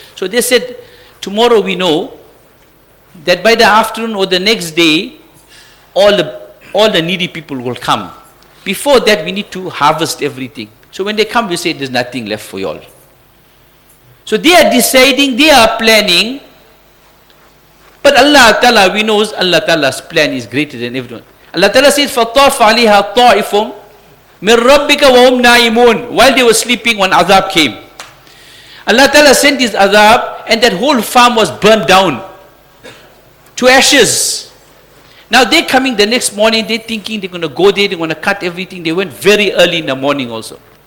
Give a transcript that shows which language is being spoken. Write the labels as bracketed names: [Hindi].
[English] So they said, tomorrow we know that by the afternoon or the next day, all the needy people will come. Before that, we need to harvest everything. So when they come, we say there's nothing left for y'all. So they are deciding, they are planning. But Allah Ta'ala, we know Allah Ta'ala's plan is greater than everyone. Allah Ta'ala says, [Arabic] فَطَّافَ عَلِيهَا طَائِفٌ مِنْ رَبِّكَ وَهُمْ نَائِمُونَ. [English] While they were sleeping, one azab came. Allah Ta'ala sent his azab, and that whole farm was burned down to ashes. Now they're coming the next morning, they're thinking they're going to go there, they're going to cut everything. They went very early in the morning also.